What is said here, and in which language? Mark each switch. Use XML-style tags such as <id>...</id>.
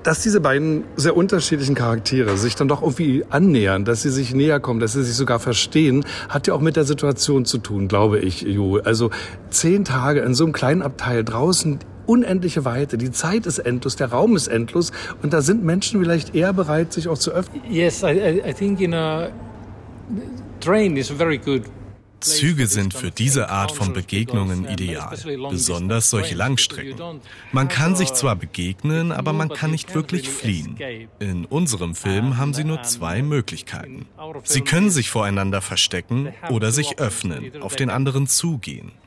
<de>Dass diese beiden sehr unterschiedlichen Charaktere sich dann doch irgendwie annähern, dass sie sich näher kommen, dass sie sich sogar verstehen, hat ja auch mit der Situation zu tun, glaube ich, Ju. Also 10 Tage in so einem kleinen Abteil draußen, unendliche Weite, die Zeit ist endlos, der Raum ist endlos und da sind Menschen vielleicht eher bereit, sich auch zu öffnen.</de> <en>Yes, I think in a train is very good.</en> <de>Züge sind für diese Art von Begegnungen ideal, besonders solche Langstrecken. Man kann sich zwar begegnen, aber man kann nicht wirklich fliehen. In unserem Film haben sie nur 2 Möglichkeiten. Sie können sich voreinander verstecken oder sich öffnen, auf den anderen zugehen.</de>